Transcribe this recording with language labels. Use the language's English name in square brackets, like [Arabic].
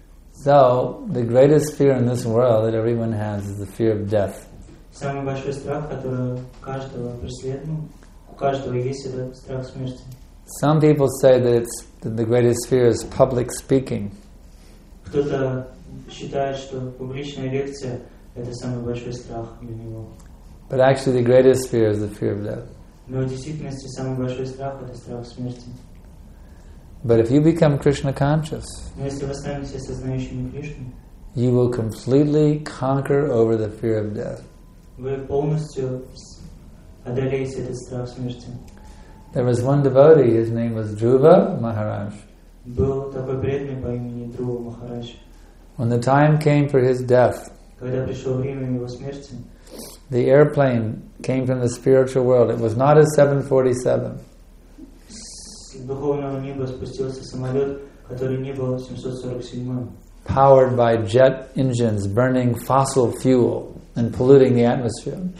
[English] So, the greatest fear in this world that everyone has is the fear of death. [Russian] Самый большой страх, который каждого преследует, у каждого есть этот страх смерти. [English] Some people say that that the greatest fear is public speaking. [Russian] Кто-то считает, что публичная лекция это самый большой страх для него. [English] But actually, the greatest fear is the fear of death. [Russian] Но в действительности самый большой страх это страх смерти. [English] But if you become Krishna conscious, [Russian] но если вы станете сознающими Кришны, [English] you will completely conquer over the fear of death. [Russian] Вы полностью одолеете этот страх смерти. [English] There was one devotee, his name was Dhruva Maharaj. [Russian] Был такой преданный по имени Друва Махарадж. [English] When the time came for his death, [Russian] когда пришло время его смерти, [English] the airplane came from the spiritual world. It was not a 747. [Russian] С духовного неба спустился самолет, который не был 747-м. [English] Powered by jet engines burning fossil fuel and polluting the atmosphere.